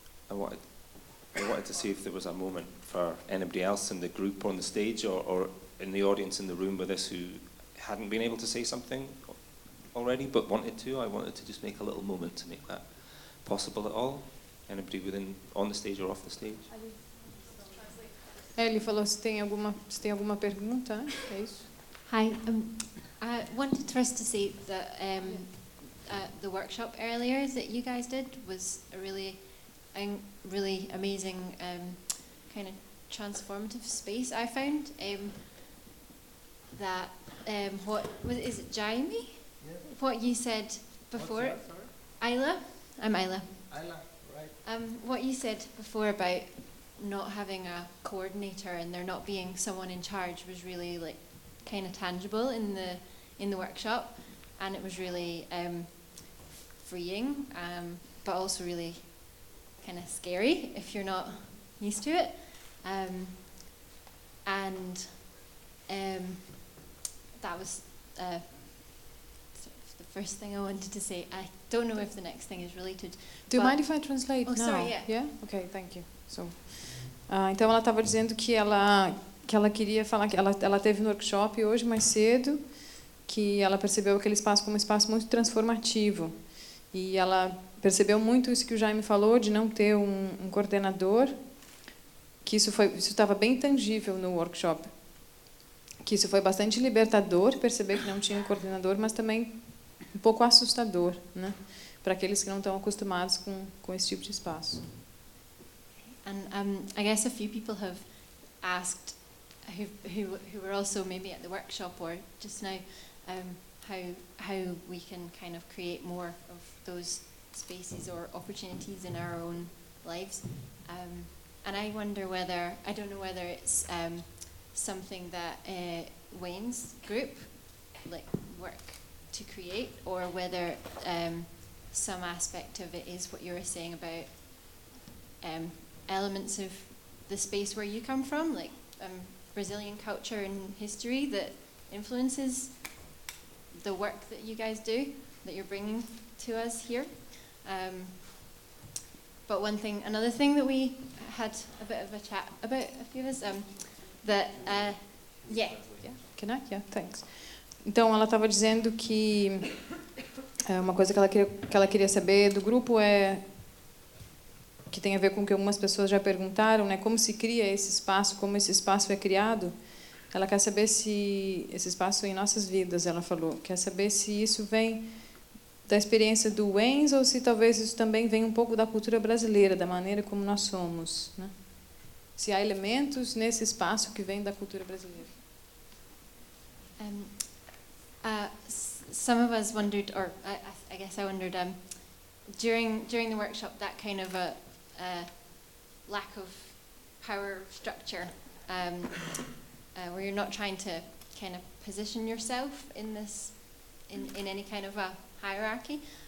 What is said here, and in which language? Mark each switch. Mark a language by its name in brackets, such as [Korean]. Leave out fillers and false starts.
[English] I wanted to see if there was a moment for anybody else in the group on the stage or in the audience in the room with us who hadn't been able to say something already, but wanted to. I wanted to just make a little moment to make that possible at all. Anybody within, on the stage or off the stage? [Portuguese] Ele falou se tem alguma pergunta, é isso? [English] Hi, I wanted for us to say that the workshop earlier that you guys did was a really amazing kind of transformative space. I found what is it, Jaime? What you said before, I'm Isla. Isla, right. What you said before about not having a coordinator and there not being someone in charge was really like kind of tangible in the workshop, and it was really freeing, but also really kind of scary if you're not used to it, and that was. First thing I wanted to say, I don't know if the next thing is related. Do you mind if I translate now? Oh, sorry, yeah. Yeah? Okay, thank you. [Portuguese] So, então ela estava dizendo que ela queria falar, que ela teve no workshop hoje mais cedo, que ela percebeu aquele espaço como um espaço muito transformativo. E ela percebeu muito isso que o Jaime falou, de não ter um coordenador, que isso estava bem tangível no workshop. Que isso foi bastante libertador, perceber que não tinha um coordenador, mas também um pouco assustador, né, para aqueles que não estão acostumados com esse tipo de espaço. [English] And I guess a few people have asked who were also maybe at the workshop or just now how we can kind of create more of those spaces or opportunities in our own lives. And I wonder whether, I don't know whether it's something that Wayne's group like work to create, or whether some aspect of it is what you were saying about elements of the space where you come from, like Brazilian culture and history that influences the work that you guys do, that you're bringing to us here. But one thing, another thing that we had a bit of a chat about, a few of us, Can I? Yeah, thanks. [Portuguese] Então, ela estava dizendo que uma coisa que ela queria saber do grupo é que tem a ver com o que algumas pessoas já perguntaram, né? Como se cria esse espaço, como esse espaço é criado. Ela quer saber se esse espaço é em nossas vidas, ela falou. Quer saber se isso vem da experiência do Wenz ou se talvez isso também vem um pouco da cultura brasileira, da maneira como nós somos, né? Se há elementos nesse espaço que vêm da cultura brasileira. [English] Some of us wondered, or I guess I wondered, during the workshop, that kind of a lack of power structure, where you're not trying to kind of position yourself in this, in any kind of a hierarchy.